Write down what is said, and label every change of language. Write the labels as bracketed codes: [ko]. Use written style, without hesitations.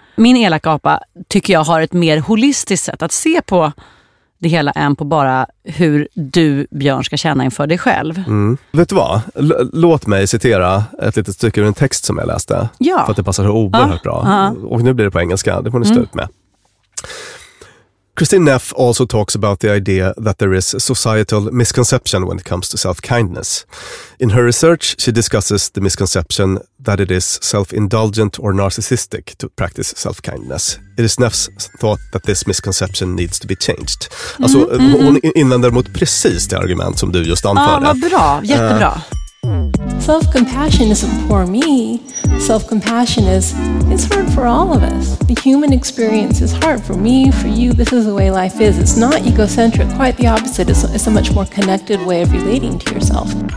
[sv] Min elaka apa tycker jag har ett mer holistiskt sätt att se på det hela än på bara hur du, Björn, ska känna inför dig själv. Vet du vad? Låt mig citera ett litet stycke ur en text som jag läste. Ja. För att det passar så oerhört bra. Och nu blir det på engelska, det får ni stå ut med. [en] Christine Neff also talks about the idea that there is a societal misconception when it comes to self-kindness. In her research, she discusses the misconception that it is self-indulgent or narcissistic to practice self-kindness. It is Neff's thought that this misconception needs to be changed. [sv] Alltså, hon invänder mot precis det argument som du just anförde. Ja, vad bra. Jättebra. [en] Self-compassion isn't for me. Self-compassion is, it's hard for all of us. The human experience is hard for me, for you. This is the way life is. It's not egocentric, quite the opposite. It's a much more connected way of relating to yourself.